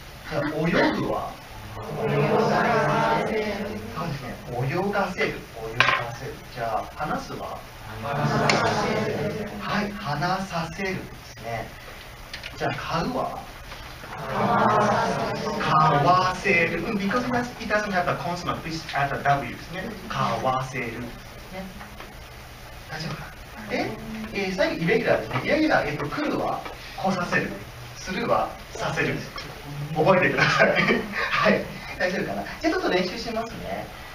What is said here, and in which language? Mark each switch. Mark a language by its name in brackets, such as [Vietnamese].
[Japanese] じゃあ泳ぐは、泳がせる、泳がせる。じゃあ話すは、はい、話させる。ね、じゃあ買うは、買わせる。 [English] うん、because that it doesn't have a consonant, please add a W [Japanese] ですね。買わせる。ね、大丈夫か。で、最後イレギュラーですね。イレギュラー、来るは来させる、するはさせる。覚えてください。はい、大丈夫かな。じゃあちょっと練習しますね。